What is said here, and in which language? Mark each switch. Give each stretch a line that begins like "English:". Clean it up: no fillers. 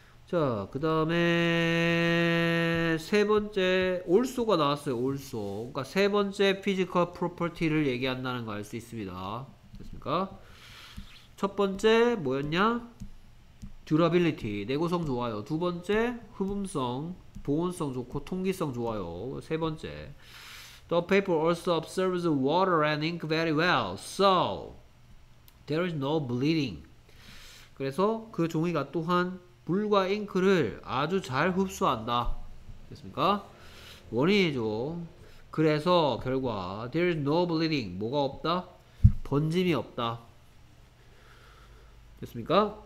Korean: 자, 그 다음에 세 번째 올소가 나왔어요. 올소. 그러니까 세 번째 피지컬 프로퍼티를 얘기한다는 거 알 수 있습니다. 됐습니까? 첫 번째 뭐였냐? 듀라빌리티, 내구성 좋아요. 두 번째, 흡음성, 보온성 좋고 통기성 좋아요. 세 번째,
English: The paper also absorbs water and ink very well. So, there is no bleeding.
Korean: 그래서 그 종이가 또한 물과 잉크를 아주 잘 흡수한다. 됐습니까? 원인이죠. 그래서 결과,
English: There is no bleeding.
Korean: 뭐가 없다? 번짐이 없다. 됐습니까?